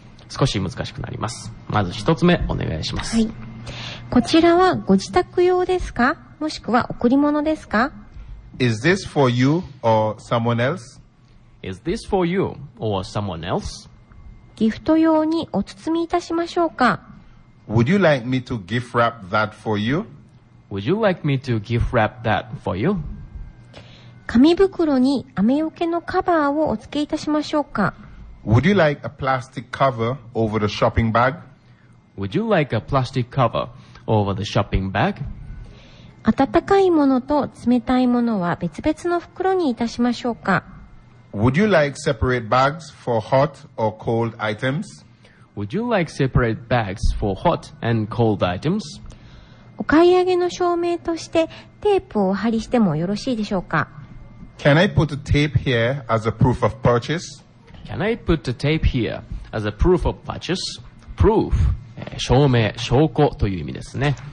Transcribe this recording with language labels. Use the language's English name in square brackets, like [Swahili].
[Japanese] 少し難しくなります。まず一つ目お願いします。はい。こちらはご自宅用ですか?もしくは贈り物ですか? [English] Is this for you or someone else? Is this for you or someone else? [Japanese] ギフト用にお包みいたしましょうか? [English] Would you like me to gift wrap that for you? Would you like me to gift wrap that for you? [Japanese] 紙袋に雨よけのカバーをお付けいたしましょうか? [English] Would you like a plastic cover over the shopping bag? Would you like a plastic cover over the shopping bag? [Japanese] 温かいものと冷たいものは別々の袋にいたしましょうか? [English] Would you like separate bags for hot or cold items? Would you like separate bags for hot and cold items? [Japanese] お買い上げの証明としてテープを貼りしてもよろしいでしょうか? [English] Can I put a tape here as a proof of purchase? Can I put the tape here as a proof of purchase? Proof、 [Japanese] 証明、証拠という意味ですね。